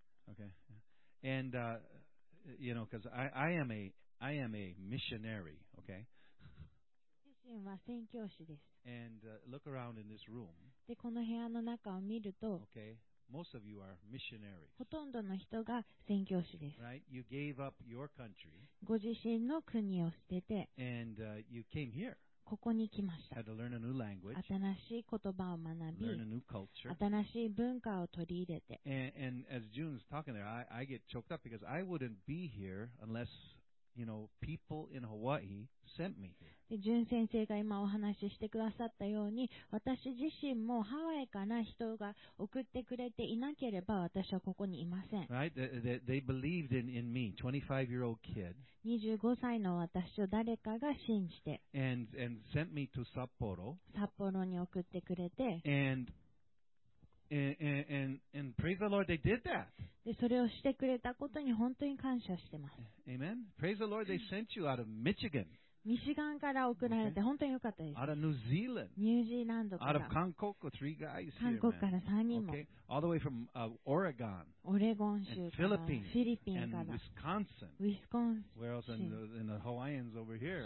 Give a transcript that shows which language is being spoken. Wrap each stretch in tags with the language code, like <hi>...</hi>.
<en>Okay. And you know, because I am a missionary. Okay.</en> <ja>自身は宣教師です。</ja> <en>And look around in this room.</en> <ja>で、この部屋の中を見ると、</ja> <en>okay. Most of you are missionaries.</en> <ja>ほとんどの人が宣教師です。</ja> <en>Right? You gave up your country.</en> <ja>ご自身の国を捨てて、</ja> <en>and you came here.</en> <ja>ここに来ました。新しい言葉を学び、</ja> <en>learn a new culture.</en> <ja>新しい文化を取り入れて。</ja> <en>And as June's talking there, I get choked up because I wouldn't be here unless, you know, people in Hawaii sent me here.</en> <ja>ジュン先生が今お話ししてくださったように、私自身もハワイから人が送ってくれていなければ私はここにいません。</ja> <en>Right? They believed in me, 25-year-old kid.</en> <ja>25歳の私を誰かが信じて、</ja> <en>and sent me to Sapporo.</en> <ja>札幌に送ってくれて、</ja> <en>and praise the Lord they did that.</en> <ja>でそれをしてくれたことに本当に感謝してます。</ja> <en>Amen. Praise the Lord they sent you out of Michigan.</en> <ja>ミシガンから送られて本当に良かったです。</ja> <en>Out of New Zealand.</en> <ja>ニュージーランドから。</ja> <en>Out of 韓国 three guys here.</en> <ja>韓国から3人も。</ja> <en>Okay. All the way from Oregon.</en> <ja>オレゴン州から、フィリピンから、</ja> <en>and Wisconsin.</en> <ja>ウィスコンシン、</ja> <en>Where else in the Hawaiians over here?</en>